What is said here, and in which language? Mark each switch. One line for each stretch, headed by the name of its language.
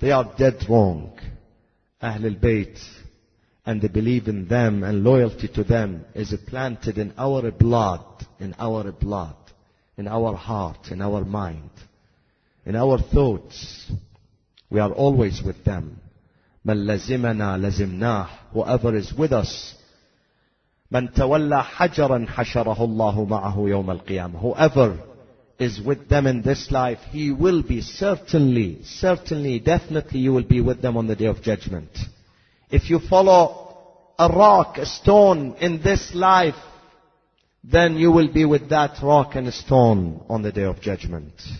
English: They are dead wrong. Ahlul Bayt and the belief in them and loyalty to them is planted in our blood, in our blood, in our heart, in our mind, in our thoughts. We are always with them.
Arabic: مَنْ لَزِمَنَا لَزِمْنَاهُ.
English: Whoever is with us,
Arabic: مَنْ تَوَلَّى حَجَرًا حَشَرَهُ اللَّهُ مَعَهُ يَوْمَ الْقِيَامِ.
English: Whoever is with them in this life, he will be certainly, certainly, definitely, you will be with them on the Day of Judgment. If you follow a rock, a stone in this life, then you will be with that rock and stone on the Day of Judgment.